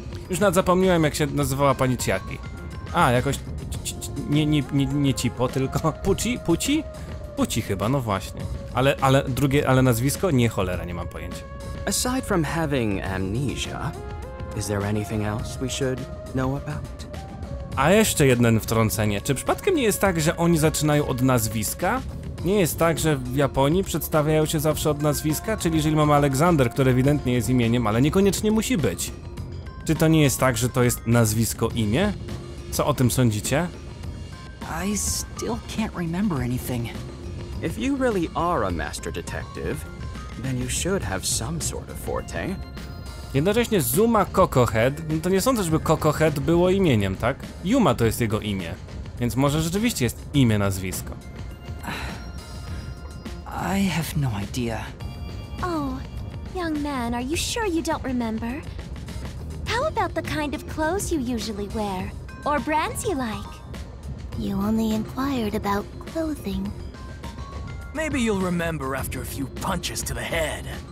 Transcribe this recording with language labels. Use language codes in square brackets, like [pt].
[pl] Już nawet zapomniałem, jak się nazywała pani Ciaki. A, jakoś nie Cipo, tylko Puci? Puci? Puci chyba, no właśnie. Ale nazwisko? Nie, cholera, nie mam pojęcia. [en] Aside from having amnesia, is there anything else we should know about? [pl] A jeszcze jedno wtrącenie. Czy przypadkiem nie jest tak, że oni zaczynają od nazwiska? Nie jest tak, że w Japonii przedstawiają się zawsze od nazwiska? Czyli jeżeli mamy Aleksander, który ewidentnie jest imieniem, ale niekoniecznie musi być. Czy to nie jest tak, że to jest nazwisko-imię? Co o tym sądzicie? [en] I still can't remember anything. If you really are a master detective, then you should have some sort of forte. [pl] Jednocześnie Zuma Cocohead, no to nie sądzę, żeby Cocohead było imieniem, tak? Yuma to jest jego imię, więc może rzeczywiście jest imię, nazwisko. [en] I have no idea. Oh, young man, are you sure you don't remember? How about the kind of clothes you usually wear, or brands you like? You only inquired about clothing. Maybe you'll remember after a few punches to the head.